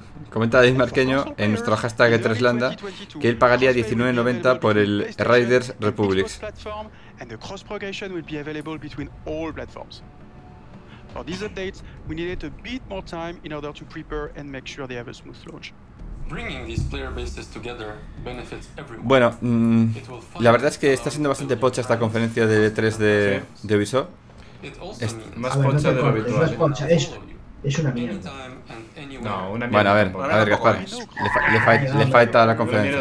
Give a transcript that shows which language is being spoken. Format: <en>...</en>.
<es>Comenta David Marqueño en nuestro hashtag E3Landa que él pagaría $19.90 por el Riders Republic.</es> <en>And the cross progression will be available between all platforms. For these updates, we needed a bit more time in order to prepare and make sure they have a smooth launch. Bringing these player bases together benefits everyone.</en> <es>Bueno, la verdad es que está siendo bastante pocha esta conferencia de E3 de Ubisoft. Más pocha de lo habitual. Es una mierda. No, una mierda. Bueno, a ver Gaspar. Le falta la conferencia.</es>